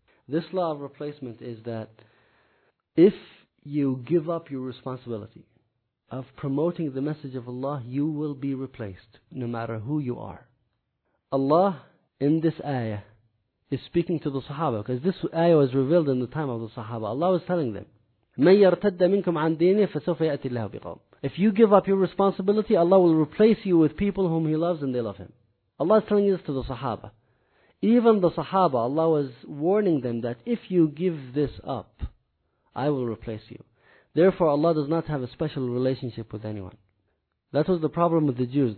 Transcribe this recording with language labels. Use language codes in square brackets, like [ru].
[en] This law of replacement is that if you give up your responsibility of promoting the message of Allah, you will be replaced, no matter who you are. Allah, in this ayah, is speaking to the Sahaba, because this ayah was revealed in the time of the Sahaba. Allah was telling them, [ar] مَنْ يَرْتَدَّ مِنْكُمْ عَنْ دِينِهِ فَسَوْفَ يَأْتِي اللَّهُ بِقَوْمٍ. [en] If you give up your responsibility, Allah will replace you with people whom He loves and they love Him. Allah is telling this to the Sahaba. Even the Sahaba, Allah was warning them that if you give this up, I will replace you. Therefore, Allah does not have a special relationship with anyone. That was the problem with the Jews.